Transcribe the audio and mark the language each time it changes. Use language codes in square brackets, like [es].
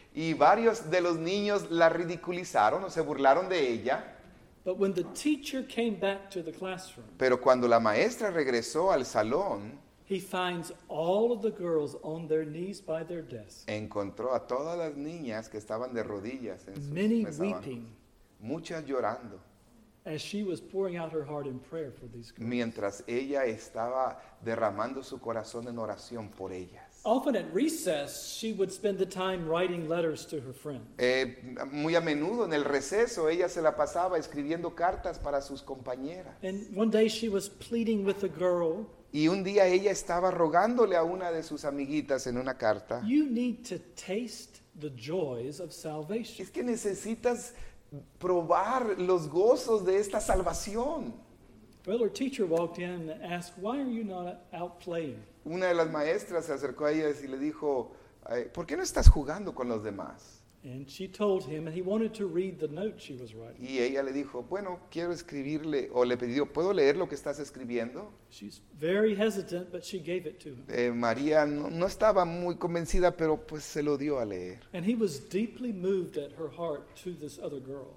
[es] Y varios de los niños la ridiculizaron o se burlaron de ella. [en] But when the teacher came back to the classroom. [es] Pero cuando la maestra regresó al salón, [en] he finds all of the girls on their knees by their desk. [es] Encontró a todas las niñas que estaban de rodillas en sus mesabancos. [en] Many weeping. [es] Muchas llorando. [en] As she was pouring out her heart in prayer for these girls. [es] Mientras ella estaba derramando su corazón en oración por ellas. [en] Often at recess, she would spend the time writing letters to her friends. [es] Muy a menudo en el receso, ella se la pasaba escribiendo cartas para sus compañeras. [en] And one day she was pleading with a girl. [es] Y un día ella estaba rogándole a una de sus amiguitas en una carta. [en] You need to taste the joys of salvation. [es] Es que necesitas probar los gozos de esta salvación. [en] Well, her teacher walked in and asked, "Why are you not out playing?" [es] Una de las maestras se acercó a ella y le dijo, "¿Por qué no estás jugando con los demás?" [en] And she told him, and he wanted to read the note she was writing. [es] Y ella le dijo, "Bueno, quiero escribirle o le pidió, ¿puedo leer lo que estás escribiendo?" [en] She's very hesitant, but she gave it to him. [es] María no estaba muy convencida, pero pues se lo dio a leer. [en] And he was deeply moved at her heart to this other girl.